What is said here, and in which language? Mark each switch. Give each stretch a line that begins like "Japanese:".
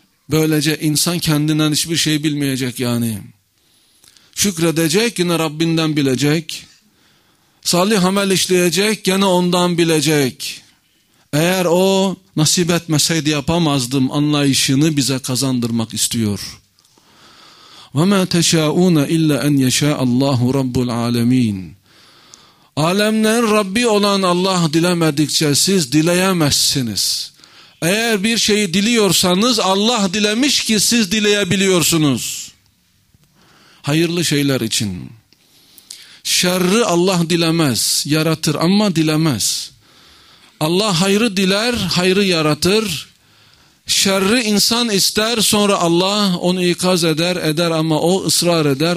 Turkish: Böylece insan kendinden hiçbir şey bilmeyecek yani. Şükredecek, yine Rabbinden bilecek. Salih amel işleyecek, gene ondan bilecek. Eğer o nasip etmeseydi yapamazdım anlayışını bize kazandırmak istiyor.
Arabic: وَمَا تَشَاءُونَ اِلَّا اَنْ يَشَاءَ اللّٰهُ رَبُّ الْعَالَم۪ينَ
Turkish: Alemlerin Rabbi olan Allah dilemedikçe siz dileyemezsiniz. Eğer bir şeyi diliyorsanız Allah dilemiş ki siz dileyebiliyorsunuz. Hayırlı şeyler için. Şerri Allah dilemez, yaratır ama dilemez. Allah hayrı diler, hayrı yaratır. Şerri insan ister, sonra Allah onu ikaz eder ama o ısrar eder.